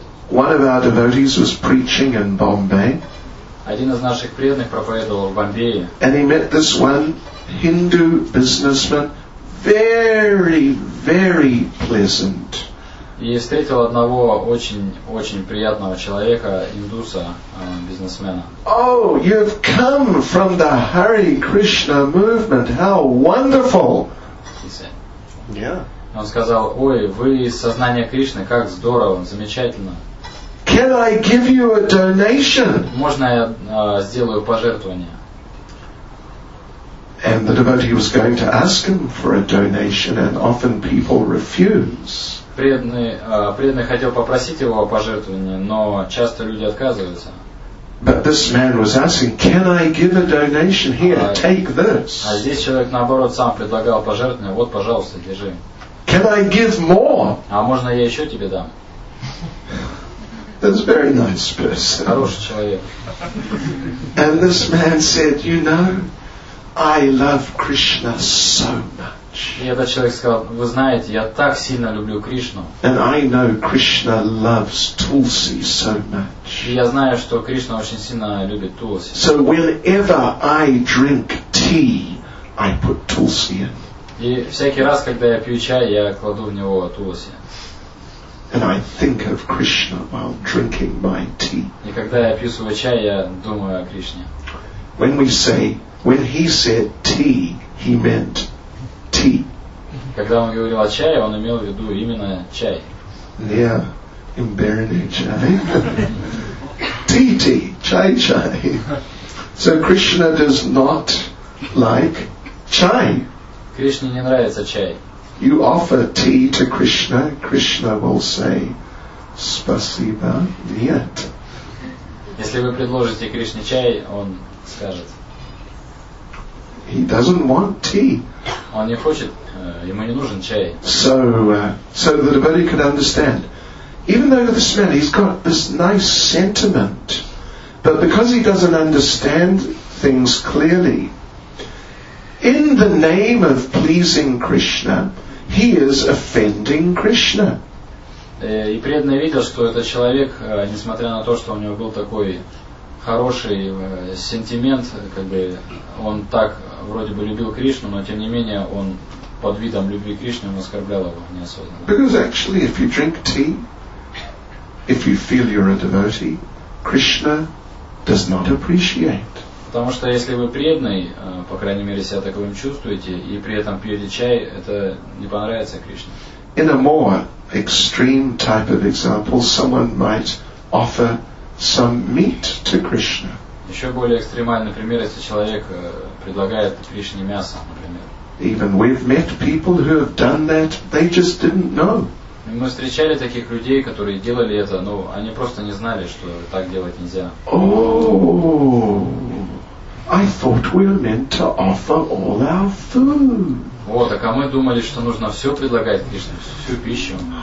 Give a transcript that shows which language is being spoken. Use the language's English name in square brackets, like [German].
[English] One of our devotees was preaching in Bombay. [Russian] Один из наших преданных проповедовал в Бомбее. [English] And he met this one Hindu businessman, very, very pleasant. [Russian] И встретил одного очень-очень приятного человека, индуса, бизнесмена. [English] Oh, you've come from the Hare Krishna movement. How wonderful! He said. Yeah. [Russian] Он сказал, ой, вы из сознания Кришны, как здорово, замечательно. [English] Can I give you a donation? [Russian] Можно я сделаю пожертвование? [English] And the devotee was going to ask him for a donation, and often people refuse. [Russian] Преданный хотел попросить его о пожертвовании, но часто люди отказываются. [English] But this man was asking, "Can I give a donation here? Take this." [Russian] А здесь человек наоборот сам предлагал пожертвование. Вот, пожалуйста, держи. [English] Can I give more? [Russian] А можно я еще тебе дам? [English] That's a very nice person. [Russian] Хороший человек. [English] And this man said, "You know, I love Krishna so much." [Russian] И этот человек сказал: "Вы знаете, я так сильно люблю Кришну." [English] And I know Krishna loves Tulsi so much. [Russian] Я знаю, что Кришна очень сильно любит Тулси. [English] So whenever I drink tea, I put Tulsi in. [Russian] И всякий раз, когда я пью чай, я кладу в него Тулси. [English] And I think of Krishna while drinking my tea. [Russian] И когда я пью свой чай, я думаю о Кришне. [English] When we say, when he said tea, he meant tea. [Russian] Когда он говорил о чае, он имел в виду именно чай. [English] Yeah, embarrassing. Tea, chai. So Krishna does not like chai. [Russian] Кришне не нравится чай. [English] You offer tea to Krishna, Krishna will say, [Russian] "Спасибо, нет." Если вы предложите Кришне чай, он скажет. [English] He doesn't want tea. [Russian] Он не хочет, ему не нужен чай. [English] So the devotee could understand, even though this man, he's got this nice sentiment, but because he doesn't understand things clearly, in the name of pleasing Krishna, he is offending Krishna. [Russian] И преданный видел, что этот человек, несмотря на то, что у него был такой хороший сентимент, как бы он так вроде бы любил Кришну, но тем не менее он под видом любви к Кришне оскорблял его неосознанно. [English] Because actually, if you drink tea, if you feel you're a devotee, Krishna does not appreciate. [Russian] Потому что если вы преданный, по крайней мере себя таковым чувствуете, и при этом пьете чай, это не понравится Кришне. [English] In a more extreme type of example, someone might offer some meat to Krishna. [Russian] Еще более экстремальный пример, если человек предлагает Кришне мясо, например. [English] Even we've met people who have done that, they just didn't know. [Russian] Мы встречали таких людей, которые делали это, но они просто не знали, что так делать нельзя. [English] I thought we were meant to offer all our food. [Russian] О, так а мы думали, что нужно все предлагать Кришне, всю пищу.